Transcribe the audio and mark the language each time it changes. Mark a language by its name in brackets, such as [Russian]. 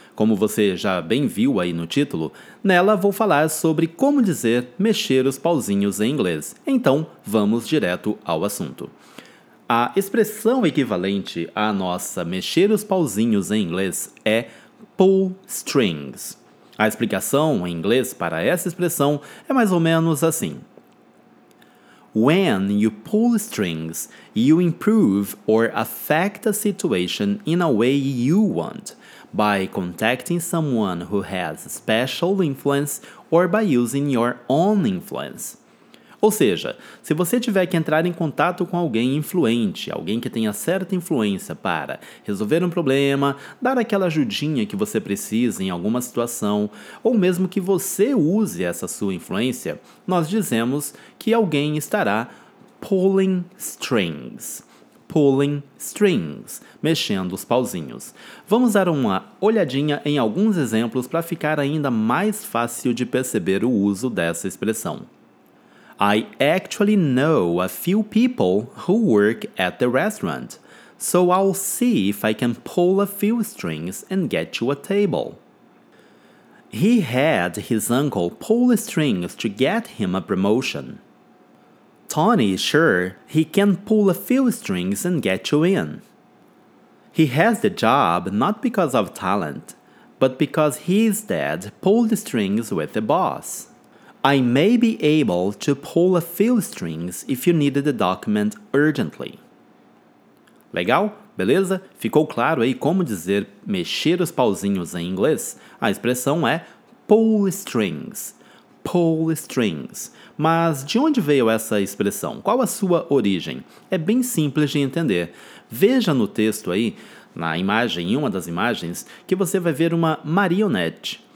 [Portuguese] Como você já bem viu aí no título, nela vou falar sobre como dizer mexer os pauzinhos em inglês. Então, vamos direto ao assunto. A expressão equivalente à nossa mexer os pauzinhos em inglês é pull strings. A explicação em inglês para essa expressão é mais ou menos assim. [English] When you pull strings, you improve or affect a situation in a way you want, by contacting someone who has special influence or by using your own influence. [Portuguese] Ou seja, se você tiver que entrar em contato com alguém influente, alguém que tenha certa influência para resolver um problema, dar aquela ajudinha que você precisa em alguma situação, ou mesmo que você use essa sua influência, nós dizemos que alguém estará pulling strings. Pulling strings, mexendo os pauzinhos. Vamos dar uma olhadinha em alguns exemplos para ficar ainda mais fácil de perceber o uso dessa expressão. [English] I actually know a few people who work at the restaurant, so I'll see if I can pull a few strings and get you a table. He had his uncle pull strings to get him a promotion. Tony is sure he can pull a few strings and get you in. He has the job not because of talent, but because his dad pulled strings with the boss. I may be able to pull a few strings if you needed the document urgently. [Portuguese] Legal? Beleza? Ficou claro aí como dizer mexer os pauzinhos em inglês? A expressão é pull strings. Pull strings. Mas de onde veio essa expressão? Qual a sua origem? É bem simples de entender. Veja no texto aí, na imagem, em uma das imagens, que você vai ver uma marionete.